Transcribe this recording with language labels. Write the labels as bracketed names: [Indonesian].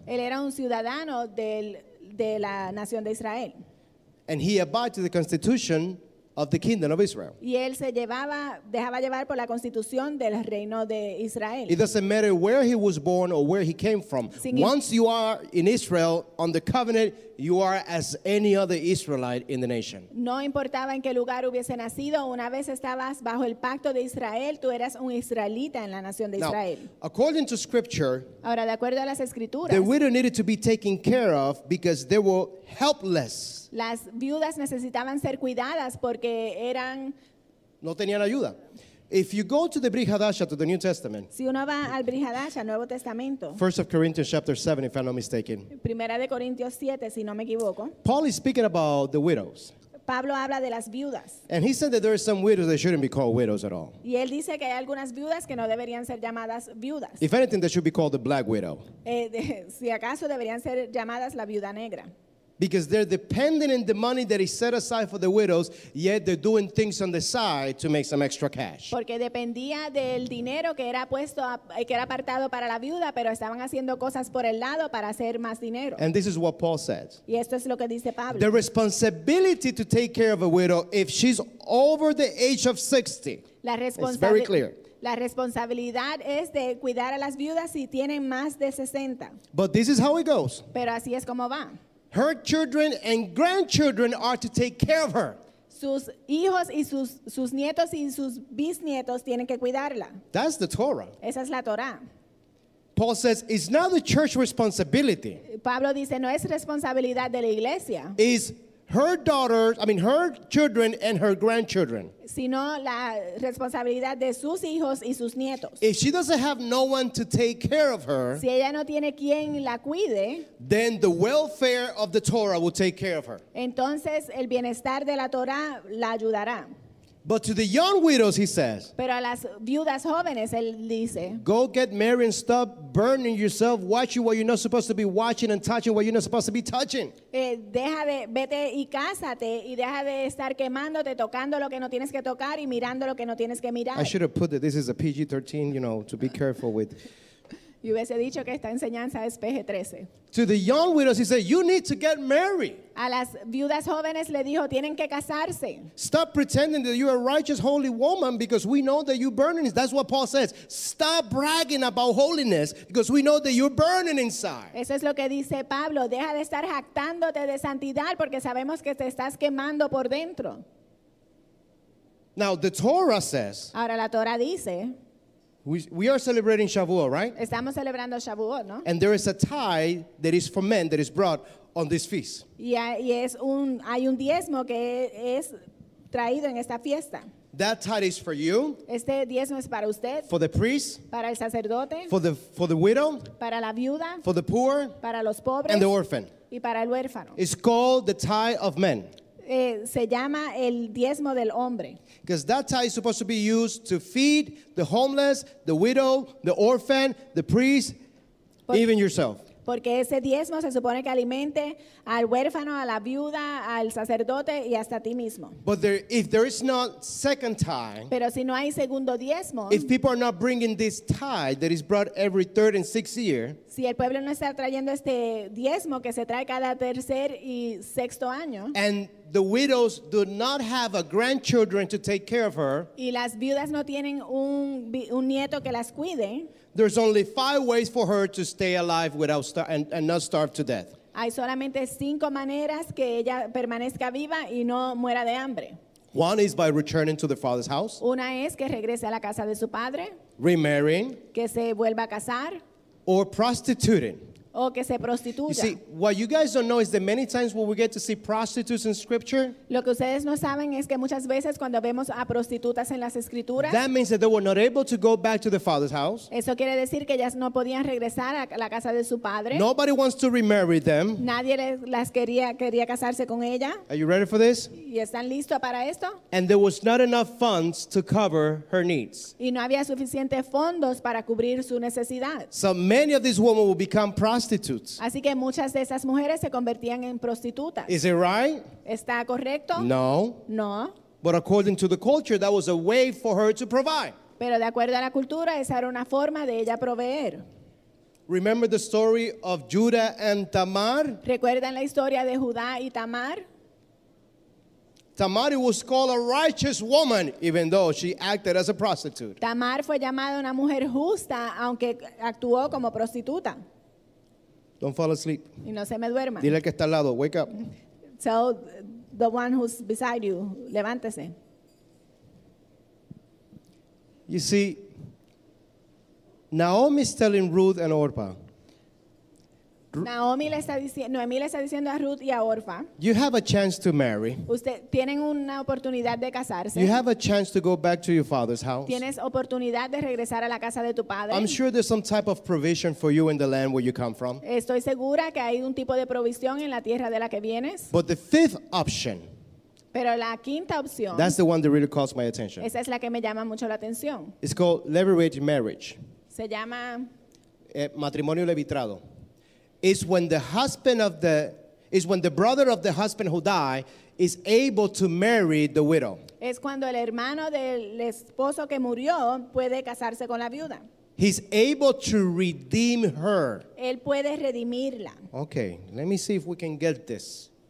[Spanish] Él era un ciudadano de la nación de Israel. [English] And he abided to the constitution of the kingdom of Israel. [Spanish] Y él se llevaba, dejaba llevar por la constitución del reino de Israel. [English] It doesn't matter where he was born or where he came from. Once you are in Israel on the covenant, you are as any other Israelite in the nation. [Spanish] No importaba en qué lugar hubiese nacido, una vez estabas bajo el pacto de Israel, tú eras un israelita en la nación de Israel. [English] Now, according to scripture, [Spanish] ahora de acuerdo a las escrituras, [English] the widow needed to be taken care of because they were helpless. [Spanish] Las viudas necesitaban ser cuidadas porque eran no tenían ayuda. [English] If you go to the Brihadasha, to the New Testament, [Spanish] si uno va al Brihadasha, Nuevo Testamento, [English] 1 Corinthians chapter 7, if I'm not mistaken, [Spanish] Primera de Corintios 7, si no me equivoco, [English] Paul is speaking about the widows. [Spanish] Pablo habla de las viudas. [English] And he said that there are some widows that shouldn't be called widows at all. [Spanish] Y él dice que hay algunas viudas que no deberían ser llamadas viudas. [English] If anything, they should be called the black widow. [Spanish] Si acaso deberían ser llamadas la viuda negra. [English] Because they're depending on the money that is set aside for the widows, yet they're doing things on the side to make some extra cash. [Spanish] Porque dependía del dinero que era puesto, que era apartado para la viuda, pero estaban haciendo cosas por el lado para hacer más dinero. [English] And this is what Paul says. [Spanish] Y esto es lo que dice Pablo. [English] The responsibility to take care of a widow if she's over the age of 60. It's very clear. [Spanish] La responsabilidad es de cuidar a las viudas si tienen más de 60. [English] But this is how it goes. [Spanish] Pero así es como va. [English] Her children and grandchildren are to take care of her. [Spanish] Sus hijos y sus nietos y sus bisnietos tienen que cuidarla. [English] That's the Torah. [Spanish] Esa es la Torah. [English] Paul says it's not the church responsibility. [Spanish] Pablo dice no es responsabilidad de la iglesia. [English] Is her children and her grandchildren. [Spanish] Sino la responsabilidad de sus hijos y sus nietos. [English] If she doesn't have no one to take care of her, [Spanish] si ella no tiene quien la cuide, [English] then the welfare of the Torah will take care of her. [Spanish] Entonces el bienestar de la Torah la ayudará. [English] But to the young widows, he says, [Spanish] pero a las viudas jóvenes, él dice, [English] go get married and stop burning yourself, watching what you're not supposed to be watching and touching what you're not supposed to be touching. [Spanish] Vete y cásate y deja de estar quemándote, tocando lo que no tienes que tocar y mirando lo que no tienes que mirar. [English] I should have put that this is a PG-13, you know, to be careful with. [Spanish] Y hubiese dicho que esta enseñanza es PG-13. [English] To the young widows, he said, you need to get married. [Spanish] A las viudas jóvenes le dijo, tienen que casarse. [English] Stop pretending that you're a righteous, holy woman because we know that you're burning. That's what Paul says. Stop bragging about holiness because we know that you're burning inside. [Spanish] Eso es lo que dice Pablo. Deja de estar jactándote de santidad porque sabemos que te estás quemando por dentro. [English] Now, the Torah says, [Spanish] ahora la Torah dice, [English] We are celebrating Shavuot, right? [Spanish] Estamos celebrando Shavuot, ¿no? [English] And there is a tithe that is for men that is brought on this feast. [Spanish] Y es un, hay un diezmo que es traído en esta fiesta. [English] That tithe is for you. [Spanish] Este diezmo es para usted. [English] For the priest. [Spanish] Para el sacerdote. [English] For the widow. [Spanish] Para la viuda. [English] For the poor. [Spanish] Para los pobres. [English] And the orphan. [Spanish] Y para el huérfano. [English] It's called the tithe of men. [Spanish] Se llama el diezmo del hombre. [English] Because that tithe is supposed to be used to feed the homeless, the widow, the orphan, the priest, even yourself. [Spanish] Porque ese diezmo se supone que alimente al huérfano, a la viuda, al sacerdote y hasta a ti mismo. [English] But there, if there is not second tithe, [Spanish] pero si no hay segundo diezmo, [English] if people are not bringing this tithe that is brought every third and sixth year, [Spanish] si el pueblo no está trayendo este diezmo que se trae cada tercer y sexto año, [English] and the widows do not have a grandchildren to take care of her, [Spanish] y las viudas no tienen un nieto que las cuide, [English] there's only five ways for her to stay alive without and not starve to death. [Spanish] Hay solamente cinco maneras que ella permanezca viva y no muera de hambre. [English] One is by returning to the father's house. [Spanish] Una es que regrese a la casa de su padre. [English] Remarrying. [Spanish] Que se vuelva a casar. [English] Or prostituting. [Spanish] O que se prostituya. [English] You see, what you guys don't know is that many times when we get to see prostitutes in scripture, [Spanish] lo que ustedes no saben es que muchas veces cuando vemos a prostitutas en las escrituras, [English] that means that they were not able to go back to the father's house. [Spanish] Eso quiere decir que ellas no podían regresar a la casa de su padre. [English] Nobody wants to remarry them. [Spanish] Nadie las quería casarse con ella. [English] Are you ready for this? [Spanish] ¿Y están listos para esto? [English] And there was not enough funds to cover her needs. [Spanish] Y no había suficientes fondos para cubrir su necesidad. [English] So many of these women will become prostitutes. [Spanish] Así que muchas de esas mujeres se convertían en prostitutas. [English] Is it right? [Spanish] ¿Está correcto? [English] No. [Spanish] No. [English] But according to the culture, that was a way for her to provide. [Spanish] Pero de acuerdo a la cultura, esa era una forma de ella proveer. [English] Remember the story of Judah and Tamar? [Spanish] ¿Recuerdan la historia de Judá y Tamar? [English] Tamar was called a righteous woman, even though she acted as a prostitute. [Spanish] Tamar fue llamada una mujer justa, aunque actuó como prostituta. [English] Don't fall asleep. [Spanish] Y no se me duerma. Dile que está al lado. [English] Wake up. Tell the one who's beside you. [Spanish] Levántese. [English] You see, Naomi's telling Ruth and Orpah. [Spanish] Naomi le está diciendo, Noemi le está diciendo a Ruth y a Orpah. [English] You have a chance to marry. [Spanish] Usted tienen una oportunidad de casarse. [English] You have a chance to go back to your father's house. [Spanish] Tienes oportunidad de regresar a la casa de tu padre. [English] I'm sure there's some type of provision for you in the land where you come from. [Spanish] Estoy segura que hay un tipo de provisión en la tierra de la que vienes. [English] But the fifth option. [Spanish] Pero la quinta opción. [English] That's the one that really calls my attention. [Spanish] Esa es la que me llama mucho la atención. [English] It's called levirate marriage. [Spanish] Se llama matrimonio levitrado. [English] Is when the husband of the is when the brother of the husband who died is able to marry the widow. [Spanish] Es cuando el hermano del esposo que murió puede casarse con la viuda. [English] He's able to redeem her. [Spanish] Él puede redimirla. [English] Okay, let me see if we can get this.